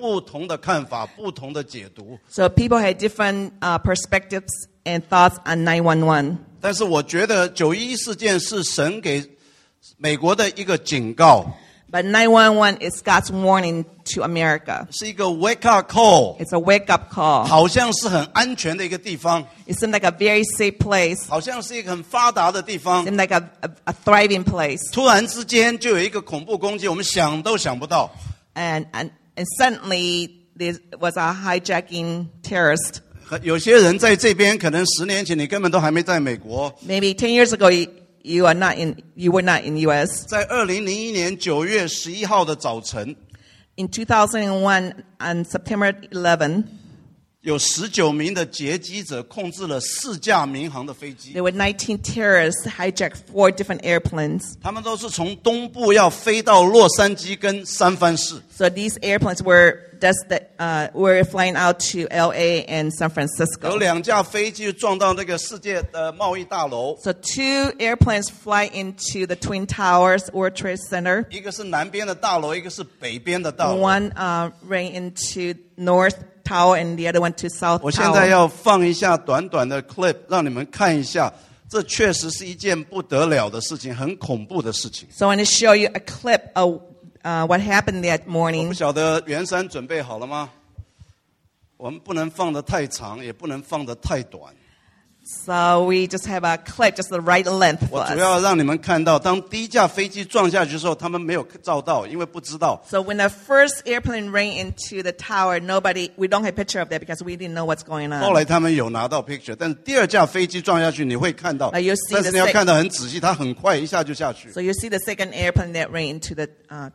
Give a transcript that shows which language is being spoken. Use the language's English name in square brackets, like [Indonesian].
[Chinese] 对911这个事件有不，很多人有不同的看法，不同的解读。 [English] So people had different perspectives and thoughts on 911. [Chinese] 但是我觉得911事件是神给美国的一个警告。 [English] But 911 is God's warning to America. [Chinese] 是一个 wake up call. [English] It's a wake up call. [Chinese] 好像是很安全的一个地方. [English] It seemed like a very safe place. [Chinese] 好像是一个很发达的地方. [English] It seemed like a thriving place. [Chinese] 突然之间就有一个恐怖攻击, 我们想都想不到. [English] And suddenly there was a hijacking terrorist. [Chinese] 有些人在这边可能10年前你根本都还没在美国. [English] Maybe 10 years ago you are not in, you were not in U.S. [Chinese] 在2001年9月11号的早晨 [English] In 2001 on September 11, [Chinese] 有19名的劫机者控制了四架民航的飞机。 [English] There were 19 terrorists hijacked four different airplanes. [Chinese] 他们都是从东部要飞到洛杉矶跟三藩市。 [English] So these airplanes were were flying out to LA and San Francisco. [Chinese] 有两架飞机撞到那个世界的贸易大楼。 [English] So two airplanes fly into the Twin Towers World Trade Center. [Chinese] 一个是南边的大楼，一个是北边的大楼。 [English] One ran into North Tower and the other one to South Tower. [Chinese] 我现在要放一下短短的 clip， 让你们看一下。这确实是一件不得了的事情，很恐怖的事情。 [English] So I want to show you a clip of what happened that morning. [Chinese] 我不晓得袁山准备好了吗？我们不能放得太长，也不能放得太短。 [English] So we just have a clip, just the right length for us. [Chinese] 我主要让你们看到，当第一架飞机撞下去的时候，他们没有照到，因为不知道。 [English] So when the first airplane ran into the tower, nobody, we don't have a picture of that because we didn't know what's going on. [Chinese] 后来他们有拿到 picture， 但是第二架飞机撞下去，你会看到。 [English] You'll see [Chinese] 但是你要看得很仔细，它很快一下就下去。 [English] So you see the second airplane that ran into the tower.